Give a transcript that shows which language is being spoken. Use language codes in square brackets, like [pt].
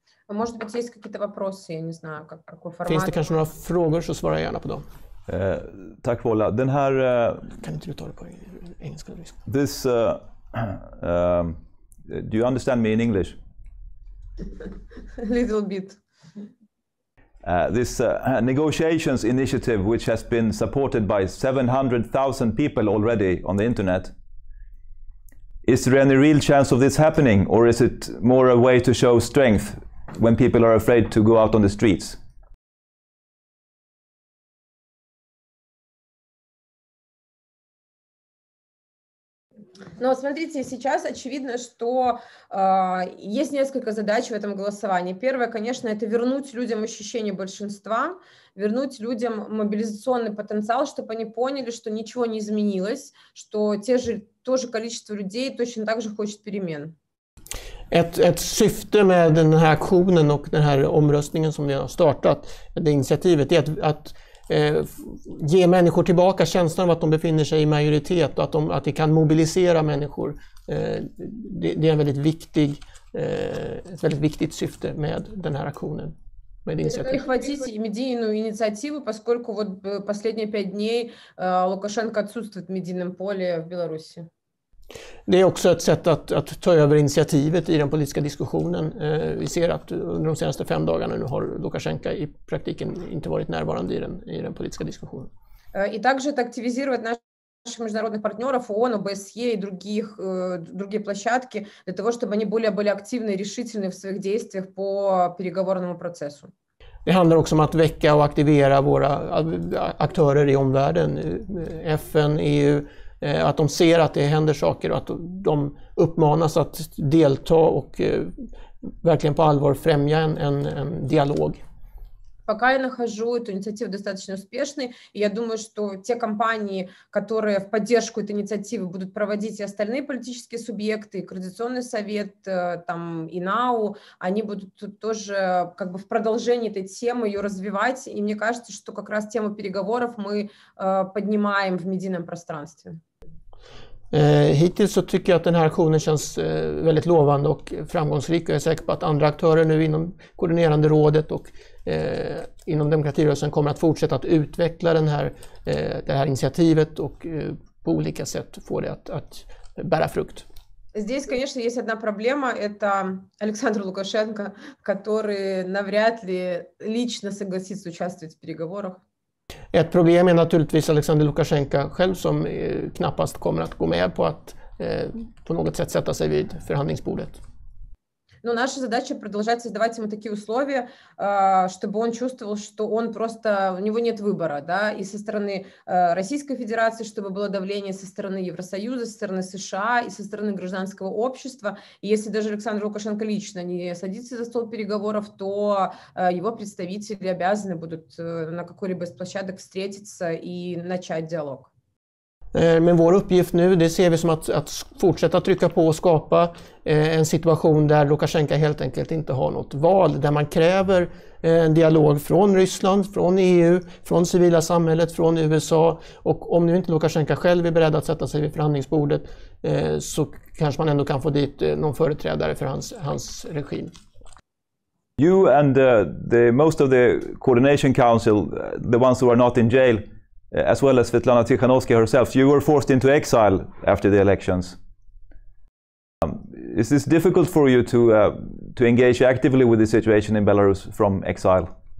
[ru] Может быть, есть какие-то вопросы, я не знаю, какой формат. [sv] Finns det kanske några frågor, så svara gärna på dem. Tack, Vola. Den här... Kan inte du ta det på engelska? [en] This... do you understand me in English? A little bit. This negotiations initiative, which has been supported by 700,000 people already on the internet. Is there any real chance of this happening, or is it more a way to show strength when people are afraid to go out on the streets? [ru] Но смотрите, сейчас очевидно, что есть несколько задач в этом голосовании. Первое, конечно, это вернуть людям ощущение большинства, вернуть людям мобилизационный потенциал, чтобы они поняли, что ничего не изменилось, что те же тоже количество людей точно так же хочет перемен. [sv] ett syfte med den här aktionen och den här omröstningen som vi har startat, det initiativet, är att ge människor tillbaka känslan av att de befinner sig i majoritet och att det kan mobilisera människor. Det är en väldigt viktig, ett väldigt viktigt syfte med den här aktionen. [ru] Перехватить медийную инициативу, поскольку вот последние пять дней Лукашенко отсутствует в медийном поле в Беларуси. [sv] Det är också ett sätt att ta över initiativet i den politiska diskussionen. Vi ser att under de senaste fem dagarna nu har Lukashenko i praktiken inte varit närvarande i den politiska diskussionen. [ru] И также это активизировать наших международных партнеров ООН, ОБСЕ и другие площадки для того, чтобы они более были активны и решительны в своих действиях по переговорному процессу. [sv] Det handlar också om att väcka och aktivera våra aktörer i omvärlden, FN, EU, att de ser att det händer saker och att de uppmanas att delta och verkligen på allvar främja en dialog. [ru] Пока я нахожу эту инициативу достаточно успешной, и я думаю, что те компании, которые в поддержку этой инициативы будут проводить и остальные политические субъекты, и Координационный совет, там, и НАУ, они будут тоже как бы в продолжении этой темы ее развивать, и мне кажется, что как раз тему переговоров мы поднимаем в медийном пространстве. [sv] Hittills så tycker jag att den här aktionen känns väldigt lovande och framgångsrik, och jag är säker på att andra aktörer nu inom koordinerande rådet och inom demokratirörelsen kommer att fortsätta att utveckla det här initiativet och på olika sätt få det att bära frukt. [ru] Здесь, конечно, есть одна проблема. Это Александр Лукашенко, который навряд ли лично согласится участвовать в переговорах. [sv] Ett problem är naturligtvis Alexander Lukashenko själv som knappast kommer att gå med på att på något sätt sätta sig vid förhandlingsbordet. [ru] Но наша задача продолжать создавать ему такие условия, чтобы он чувствовал, что он просто у него нет выбора, да, и со стороны Российской Федерации, чтобы было давление со стороны Евросоюза, со стороны США и со стороны гражданского общества. И если даже Александр Лукашенко лично не садится за стол переговоров, то его представители обязаны будут на какой-либо из площадок встретиться и начать диалог. [sv] Men vår uppgift nu, det ser vi som att fortsätta trycka på och skapa en situation där Lukashenko helt enkelt inte har något val, där man kräver en dialog från Ryssland, från EU, från civila samhället, från USA, och om nu inte Lukashenko själv är beredd att sätta sig vid förhandlingsbordet så kanske man ändå kan få dit någon företrädare för hans regim. [en] You and the most of the coordination council, the ones who are not in jail, as well as Svetlana Tikhanovskaya herself, you were forced into exile after the elections. Is this difficult for you to engage actively with the situation in Belarus from exile?